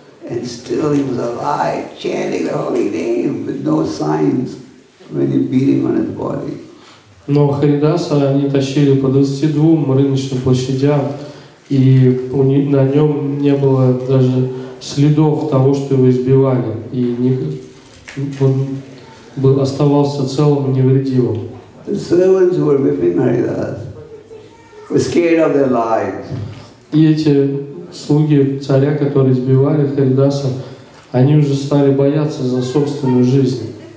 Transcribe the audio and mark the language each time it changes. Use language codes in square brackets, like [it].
[en] And still he was alive, chanting the holy name with no signs of any beating on his body. [ru] Но Харидаса они тащили по 22 рыночным площадям, и на нем не было даже следов того, что его избивали, и он был оставался целым и невредимым. [en] The servants who were whipping Haridas were scared of their lives. [ru] И эти слуги царя, которые избивали Харидаса, они уже стали бояться за собственную жизнь.